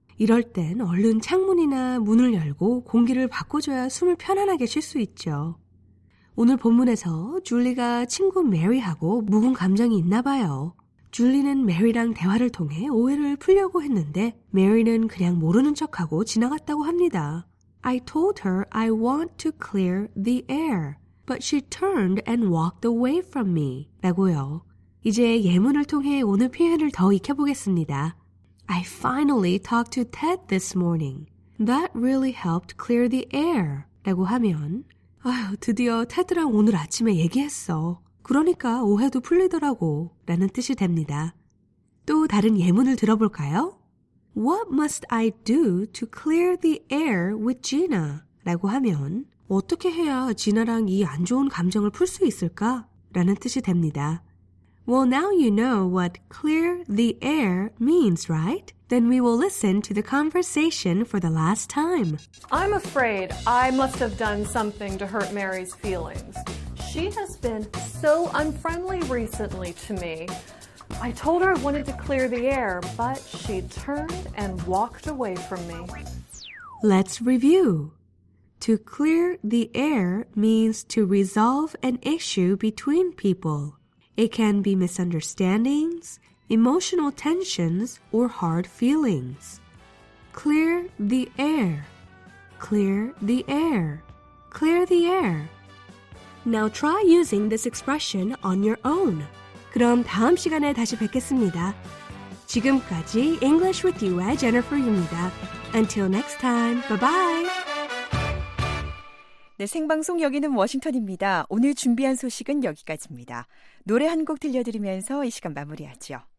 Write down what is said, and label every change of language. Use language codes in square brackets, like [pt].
[ko] 이럴 땐 얼른 창문이나 문을 열고 공기를 바꿔줘야 숨을 편안하게 쉴 수 있죠. 오늘 본문에서 줄리가 친구 메리하고 묵은 감정이 있나 봐요. 줄리는 메리랑 대화를 통해 오해를 풀려고 했는데 메리는 그냥 모르는 척하고 지나갔다고 합니다. [en] I told her I want to clear the air, but she turned and walked away from me. [ko] 라고요. 이제 예문을 통해 오늘 표현을 더 익혀보겠습니다. [en] I finally talked to Ted this morning. That really helped clear the air. [ko] 라고 하면 아휴, 드디어 테드랑 오늘 아침에 얘기했어. 그러니까 오해도 풀리더라고. 라는 뜻이 됩니다. 또 다른 예문을 들어볼까요? [en] What must I do to clear the air with Gina? [ko] 라고 하면 어떻게 해야 지나랑 이 안 좋은 감정을 풀 수 있을까? 라는 뜻이 됩니다. [en] Well, now you know what clear the air means, right? Then we will listen to the conversation for the last time. I'm afraid I must have done something to hurt Mary's feelings. She has been so unfriendly recently to me. I told her I wanted to clear the air, but she turned and walked away from me. Let's review. To clear the air means to resolve an issue between people. It can be misunderstandings, emotional tensions, or hard feelings. Clear the air. Clear the air. Clear the air. Now try using this expression on your own. [ko] 그럼 다음 시간에 다시 뵙겠습니다. 지금까지 English with You의 Jennifer입니다. [en] Until next time, bye-bye! [ko] 네, 생방송 여기는 워싱턴입니다. 오늘 준비한 소식은 여기까지입니다. 노래 한 곡 들려드리면서 이 시간 마무리하죠.